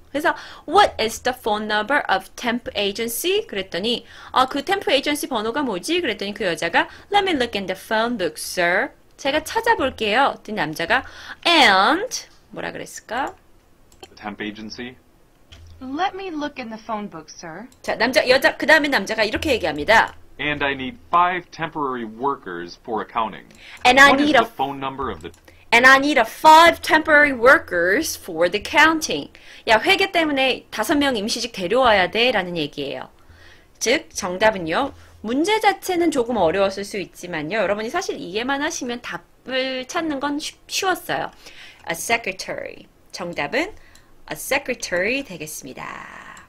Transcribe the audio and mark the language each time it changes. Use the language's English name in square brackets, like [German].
[Korean] 그래서 [English] What is the phone number of temp agency? [Korean] 그랬더니 그 temp agency 번호가 뭐지? 그랬더니 그 여자가 [English] Let me look in the phone book, sir. [Korean] 제가 찾아볼게요. 그 남자가 And 뭐라 그랬을까? [English] Temp agency. Let me look in the phone book, sir. [Korean] 자, 남자, 여자, 그 다음에 남자가 이렇게 얘기합니다. [English] And I need 5 temporary workers for accounting. And What I need is the phone number of the... And I need a 5 temporary workers for the counting. [Korean] 야, 회계 때문에 5명 임시직 데려와야 돼 라는 얘기예요. 즉, 정답은요. 문제 자체는 조금 어려웠을 수 있지만요. 여러분이 사실 이해만 하시면 답을 찾는 건 쉬웠어요. A secretary. 정답은 a secretary 되겠습니다.